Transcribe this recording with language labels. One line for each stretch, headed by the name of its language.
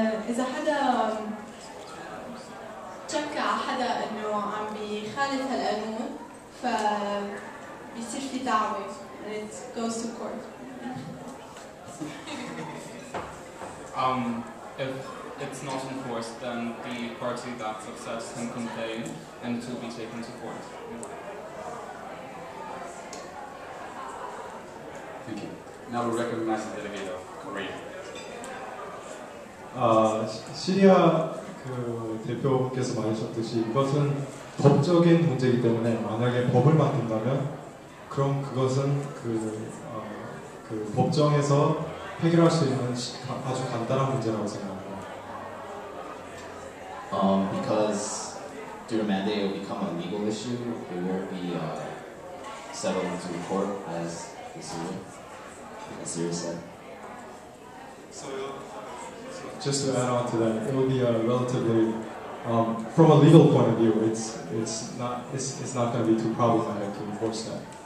Arabic: إذا حدا شك على حدا إنه عم بيخالف هالقانون ف بيصير في دعوة
English: and it goes to court. If it's not enforced, then the party that success can complain and it will be taken to court. Thank you. Now we recognize the delegate of Korea. Syria.
Korean: 그 대표께서 말하셨듯이 이것은 법적인 문제이기 때문에 만약에 법을 만든다면 그럼 그것은 그 법정에서 해결할 수 있는 아주 간단한 문제라고 생각합니다.
English: Because through a mandate it will become a legal issue, it will be settled into court as the Syria said. Just to add on to that, it would be a relatively, from a legal point of view, it's not going to be too problematic to enforce that.